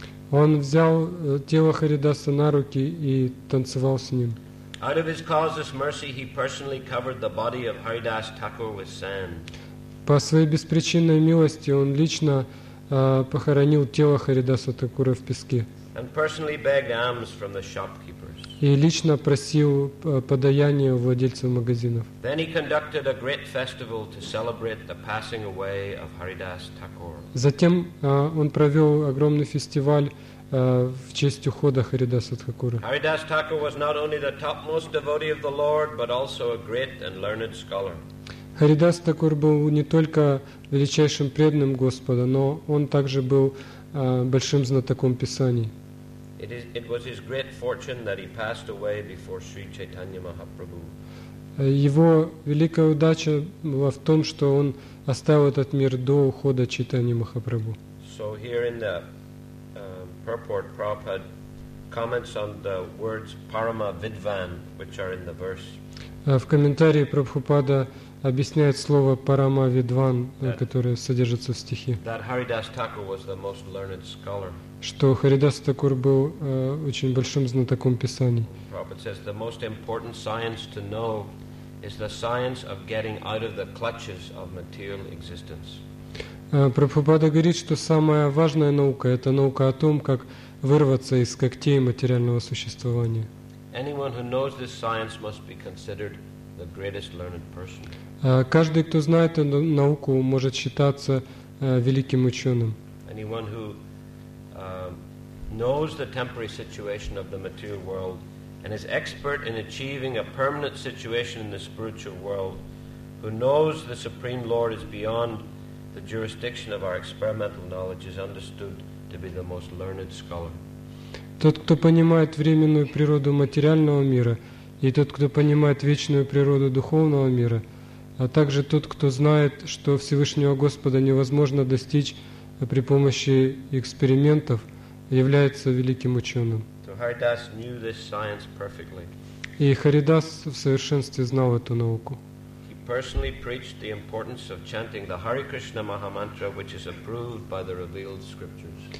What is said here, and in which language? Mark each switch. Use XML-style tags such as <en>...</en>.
<ru>Он взял тело Харидаса на руки и танцевал с ним.</ru> <en>Out of his causeless mercy, he personally covered the body of Haridas Thakur with sand.</en> <ru>По своей беспричинной милости он лично похоронил тело Харидаса Такура в песке.</ru> <en>And personally begged alms from the shopkeepers.</en> <ru>И лично просил подаяния у владельцев магазинов.</ru> <en>Then he conducted a great festival to celebrate the passing away of Haridas Thakur.</en> <ru>Затем он провел огромный фестиваль в честь ухода Харидаса Такура.</ru> <en>Haridas Thakur was not only the topmost devotee of the Lord, but also a great and learned scholar.</en> <ru>Харидас Такур был не только величайшим преданным Господа, но он также был большим знатоком Писаний.</ru> <en>It was his great fortune that he passed away before Sri Chaitanya Mahaprabhu.</en> <ru>Его великая удача была в том, что он оставил этот мир до ухода Чайтаньи Махапрабху.</ru> <en>So here in the purport, Prabhupada comments on the words Parama Vidvan, which are in the verse.</en> <ru>В комментарии Прабхупада объясняет слово Парама Видван, которое содержится в стихе.</ru> <en>That Haridas Thakur was the most learned scholar.</en> <ru>Что Харидас Такур был очень большим знатоком Писаний.</ru> <en>Prabhupada says the most important science to know is the science of getting out of the clutches of material existence.</en> <ru>Прабхупада говорит, что самая важная наука — это наука о том, как вырваться из когтей материального существования.</ru> <en>Anyone who knows this science must be considered the greatest learned person.</en> <ru>Каждый, кто знает эту науку, может считаться великим ученым.</ru> <en>Anyone who knows the temporary situation of the material world and is expert in achieving a permanent situation in the spiritual world, who knows the Supreme Lord is beyond the jurisdiction of our experimental knowledge, is understood to be the most learned scholar.</en> <ru>Тот, кто понимает временную природу материального мира, и тот, кто понимает вечную природу духовного мира, а также тот, кто знает, что Всевышнего Господа невозможно достичь при помощи экспериментов, является великим ученым.</ru> <en>So Haridas knew this science perfectly.</en> <ru>И Харидас в совершенстве знал эту науку.</ru> <en>He personally preached the importance of chanting the Hare Krishna Mahamantra, which is approved by the revealed scriptures.</en>